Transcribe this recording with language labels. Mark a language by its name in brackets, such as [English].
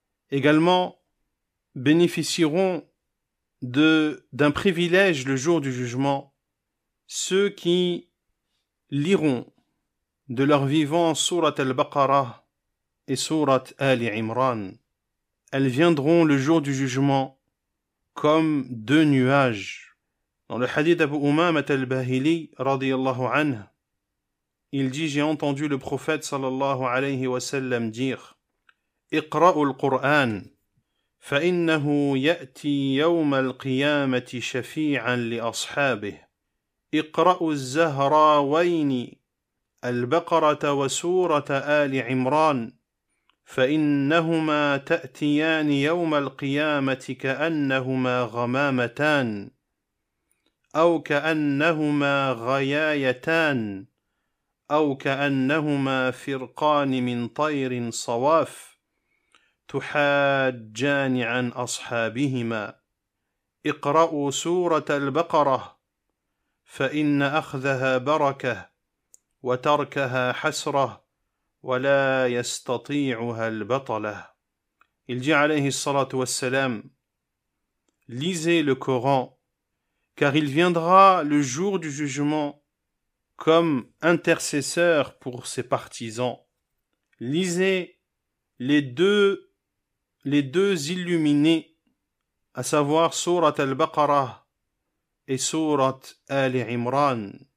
[French] Également, bénéficieront d'un privilège le jour du jugement, ceux qui liront de leur vivant Sourate al-Baqarah et Sourate Ali Imran. Elles viendront le jour du jugement comme deux nuages. Dans le hadith d'Abu Umamah al-Bahili, radiyallahu anhu, il dit « J'ai entendu le prophète sallallahu alayhi wa sallam dire « [Arabic] Iqra'u al-Qur'an » فَإِنَّهُ يَأْتِي يَوْمَ الْقِيَامَةِ شَفِيعًا لِأَصْحَابِهِ اِقْرَأُ الزَّهْرَى وَيْنِ الْبَقَرَةَ وَسُورَةَ آلِ عِمْرَانِ فَإِنَّهُمَا تَأْتِيَانِ يَوْمَ الْقِيَامَةِ كَأَنَّهُمَا غَمَامَتَانِ أَوْ كَأَنَّهُمَا غَيَايَتَانِ أو كأنهما فرقان من طير صواف تحاجان عن أصحابهما. اقرأوا سورة البقرة فإن أخذها بركة وتركها حسرة ولا يستطيعها البطلة. [French] Il dit [Arabic] عليه الصلاة والسلام: [French] Lisez le Coran, car il viendra le jour du jugement comme intercesseur pour ses partisans. Lisez les deux illuminés, à savoir Sourate al-Baqarah et Sourate al-Imran.